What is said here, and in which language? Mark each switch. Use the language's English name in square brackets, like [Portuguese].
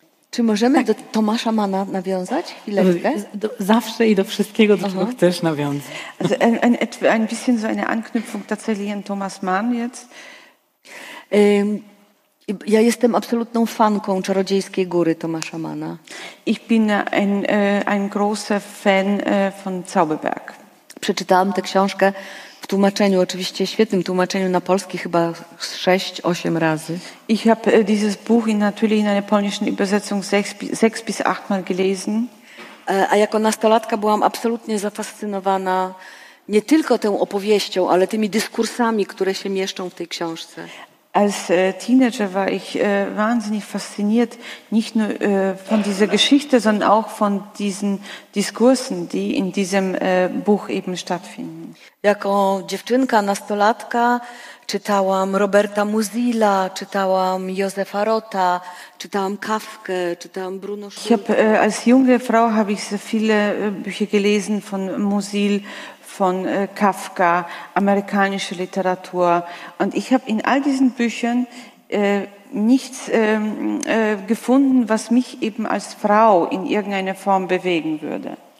[Polish] Czy możemy tak. Do Tomasza Manna nawiązać chwileczkę? Zawsze i do wszystkiego, do czego chcesz nawiązać. [German] Also ein bisschen so eine Anknüpfung tatsächlich an Thomas Mann jetzt. [Polish] Ja jestem absolutną fanką Czarodziejskiej Góry Tomasza Manna. [German] Ich bin ein großer Fan von Zauberberg. [Polish] Przeczytałam tę książkę w tłumaczeniu, oczywiście świetnym tłumaczeniu na polski, chyba 6-8 razy. [German] Ich habe dieses Buch natürlich in einer polnischen Übersetzung 6 bis 8 mal gelesen. [Polish] A jako nastolatka byłam absolutnie zafascynowana nie tylko tą opowieścią, ale tymi dyskursami, które się mieszczą w tej książce. [German] Als Teenager war ich wahnsinnig fasziniert, nicht nur von dieser Geschichte, sondern auch von diesen Diskursen, die in diesem Buch eben stattfinden. [Polish] Jako dziewczynka, nastolatka, czytałam Roberta Musila, czytałam Josefa Rota, czytałam Kafkę, czytałam Bruno Schulz. [German] Ich habe als junge Frau habe ich sehr viele Bücher gelesen von Musil, von Kafka, amerikanische Literatur. Und ich habe in all diesen Büchern nichts gefunden, was mich eben als Frau in irgendeiner Form bewegen würde.